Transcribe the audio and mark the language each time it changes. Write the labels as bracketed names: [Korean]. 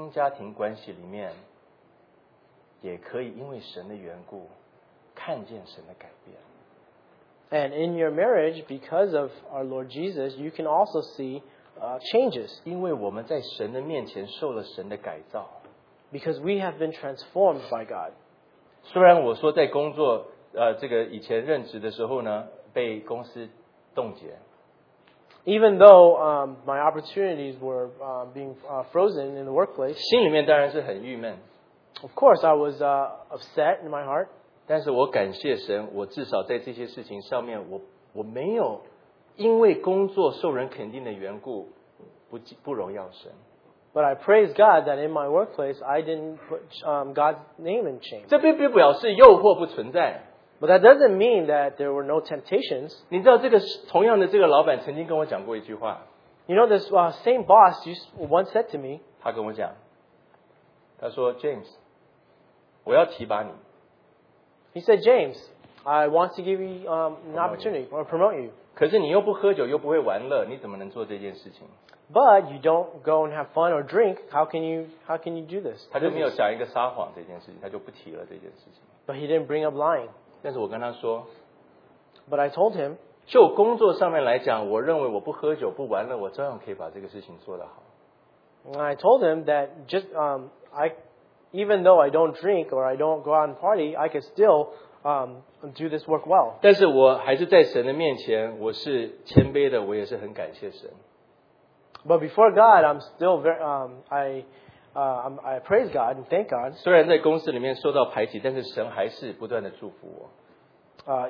[Chinese] 你在你的婚姻家庭关系里面, 也可以因为神的缘故, 看见神的改变。 [English] And in your marriage, because of our Lord Jesus, you can also see changes. [Chinese] 因为我们在神的面前受了神的改造。 [English] Because we have been transformed by God. [Chinese] 虽然我说在工作, 这个以前任职的时候呢,被公司冻结。 [English] Even though my opportunities were being frozen in the workplace, [Chinese] 心里面当然是很郁闷。 [English] Of course, I was upset in my heart. [Chinese] 但是我感谢神,我至少在这些事情上面,我没有因为工作受人肯定的缘故，不荣耀神。 [English] But I praise God that in my workplace I didn't put God's name in shame. [Chinese] 这并不表示诱惑不存在。 [English] But that doesn't mean that there were no temptations. [Chinese] 你知道这个同样的这个老板曾经跟我讲过一句话。 [English] You know this same boss once said to me. [Chinese] 他跟我讲，他说 James， 我要提拔你。 [English] He said James， I want to give you an opportunity or promote you。 [Chinese] 可是你又不喝酒，又不会玩乐，你怎么能做这件事情 [English] ？But you don't go and have fun or drink. How can you do this? [Chinese] 他就没有讲一个撒谎这件事情，他就不提了这件事情。 [English] But he didn't bring up lying. [Chinese] 但是我跟他说 [English] ，But I told him， [Chinese] 就工作上面来讲，我认为我不喝酒不玩乐，我照样可以把这个事情做得好。 [English] I told him that just even though I don't drink or I don't go out and party, I could still do this work well. [Chinese] 但是我还是在神的面前，我是谦卑的，我也是很感谢神。 [English] But before God, I'm still very I praise God and thank God. [Chinese] 虽然在公司里面受到排挤，但是神还是不断的祝福我。